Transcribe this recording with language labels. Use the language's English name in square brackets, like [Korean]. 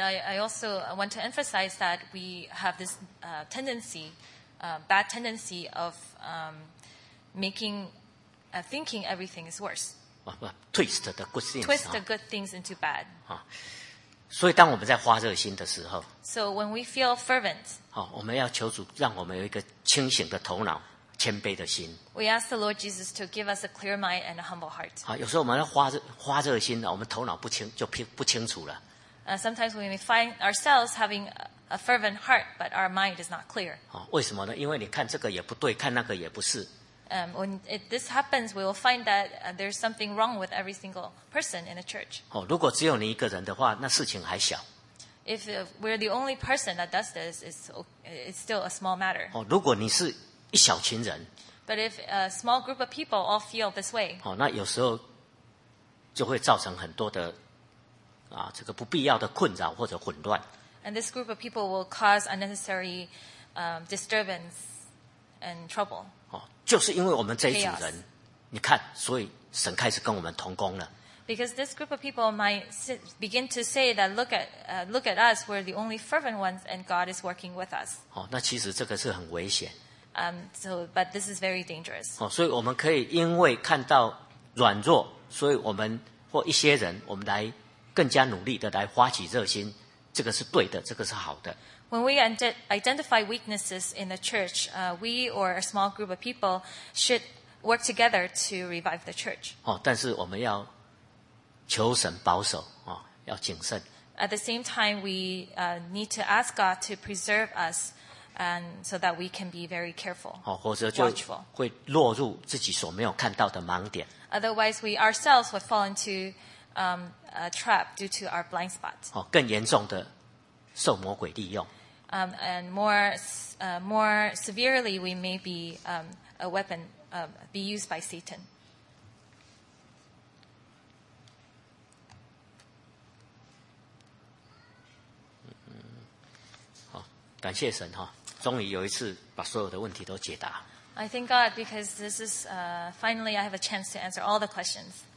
[English] I also want to emphasize that we have this tendency, bad tendency of making thinking everything is worse. Twist the good things. Twist the good things into bad. [Chinese] 所以当我们在发热心的时候, [English] so when we feel fervent, [Chinese] 我们要求主让我们有一个清醒的头脑, 谦卑的心。 [English] We ask the Lord Jesus to give us a clear mind and a humble heart. [Chinese] 啊，有时候我们花这个心我们头脑不清楚了。 [English] Sometimes we may find ourselves having a fervent heart, but our mind is not clear. [Chinese] 啊，为什么呢？因为你看这个也不对，看那个也不是。 [English] When this happens, we will find that there's something wrong with every single person in the church. [Chinese] 哦，如果只有你一个人的话，那事情还小。 [English] If we're the only person that does this, it's still a small matter. [Chinese] 哦，如果你是一小群人。 [English] But if a small group of people all feel this way. [Chinese] 哦，那有时候就会造成很多的啊，这个不必要的困扰或者混乱。 [English] And this group of people will cause unnecessary disturbance and trouble. [Chinese] 就是因为我们这一组人，你看，所以神开始跟我们同工了。 [English] Because this group of people might begin to say that look at us, we're the only fervent ones, and God is working with us. [Chinese] 哦，那其实这个是很危险。 [English] But this is very dangerous. [Chinese] 哦，所以我们可以因为看到软弱，所以我们或一些人，我们来更加努力的来发起热心，这个是对的，这个是好的。 [English] When we identify weaknesses in the church, we or a small group of people should work together to revive the church. [Chinese] 哦，但是我们要求神保守，哦，要谨慎。 [English] At the same time, we need to ask God to preserve us, and so that we can be very careful. [Chinese] 哦，或者就会落入自己所没有看到的盲点。 [English] Otherwise, we ourselves would fall into a trap due to our blind spot. [Chinese] 哦，更严重的。受魔鬼利用。 [English] And more severely, we may be a weapon be used by Satan. [Chinese] 好，感谢神哈，终于有一次把所有的问题都解答。 [English] I thank God because this is finally I have a chance to answer all the questions.